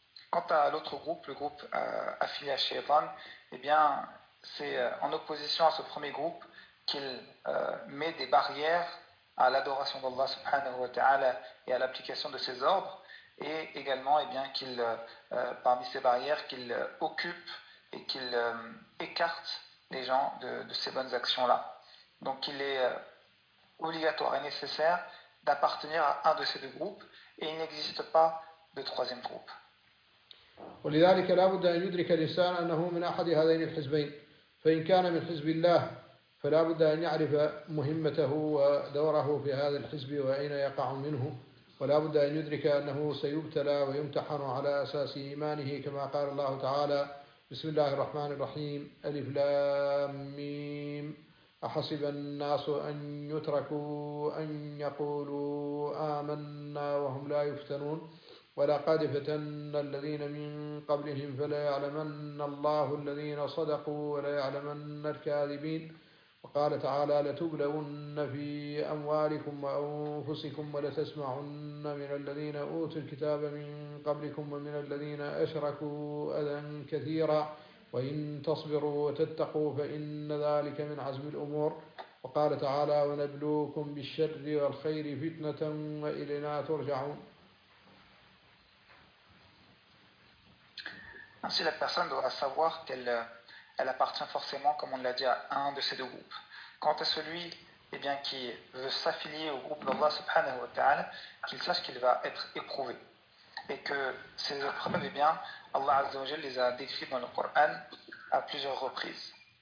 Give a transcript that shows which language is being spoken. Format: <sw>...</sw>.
<fr>Quant à l'autre groupe, le groupe affilié à Shaytan, c'est en opposition à ce premier groupe qu'il met des barrières à l'adoration d'Allah subhanahu wa ta'ala et à l'application de ses ordres, et également qu'il, parmi ces barrières, qu'il occupe et qu'il écarte les gens de ces bonnes actions-là. Donc il est obligatoire et nécessaire d'appartenir à un de ces deux groupes, il n'existe pas de troisième groupe.</fr> <ar>ولذلك لا بد أن يدرك الإنسان أنه من أحد هذين الحزبين، فإن كان من حزب الله فلا بد أن يعرف مهمته ودوره في هذا الحزب وأين يقع منه، ولا بد أن يدرك أنه سيبتلى ويمتحن على أساس إيمانه، كما قال الله تعالى: بسم الله الرحمن الرحيم ألف لام ميم أحسب الناس أن يتركوا أن يقولوا آمنا وهم لا يفتنون ولقد فتن الذين من قبلهم فليعلمن الله الذين صدقوا وليعلمن الكاذبين وقال تعالى لتبلون في أموالكم وأنفسكم ولتسمعن من الذين أوتوا الكتاب من قبلكم ومن الذين أشركوا أذى كثيرا وإن تصبروا وتتقوا فإن ذلك من عزم الأمور وقال تعالى ونبلوكم بالشر والخير فتنة وإلينا ترجعون.</ar> <fr>Ainsi la personne doit savoir qu'elle appartient forcément, comme on l'a dit, à un de ces deux groupes. Quant à celui qui veut s'affilier au groupe d'Allah subhanahu wa ta'ala, qu'il sache qu'il va être éprouvé et que ces épreuves Allah Azza wa Jalla les a décrits dans le Coran à plusieurs reprises.</fr>